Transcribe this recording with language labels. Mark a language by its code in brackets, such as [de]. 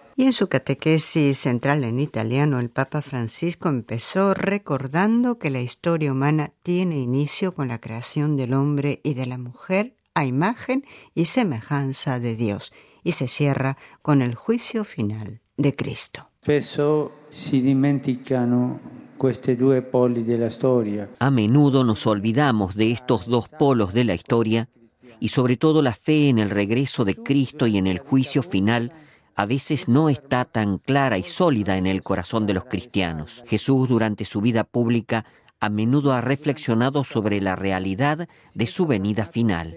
[es] Y en su catequesis central en italiano, el Papa Francisco empezó recordando que la historia humana tiene inicio con la creación del hombre y de la mujer a imagen y semejanza de Dios, y se cierra con el juicio final de Cristo. [it] Spesso si dimenticano queste due poli della storia. [es] A menudo nos olvidamos de estos dos polos de la historia, y sobre todo la fe en el regreso de Cristo y en el juicio final a veces no está tan clara y sólida en el corazón de los cristianos. Jesús, durante su vida pública, a menudo ha reflexionado sobre la realidad de su venida final.